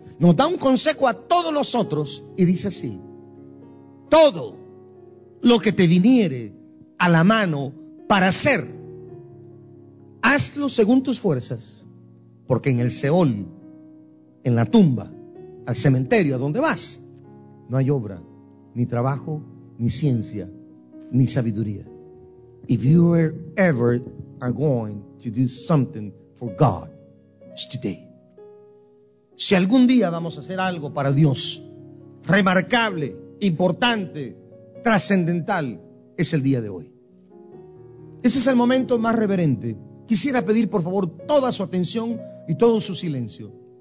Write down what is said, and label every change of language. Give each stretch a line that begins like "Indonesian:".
Spanish: Nos da un consejo a todos nosotros y dice así: todo lo que te viniere a la mano para hacer, hazlo según tus fuerzas, porque en el Seol, en la tumba, al cementerio, a donde vas, no hay obra, ni trabajo, ni ciencia, ni sabiduría.
English: If you were ever are going to do something for God, it's today.
Spanish: Si algún día vamos a hacer algo para Dios, remarcable, importante, trascendental, es el día de hoy. Ese es el momento más reverente. Quisiera pedir, por favor, toda su atención y todo su silencio.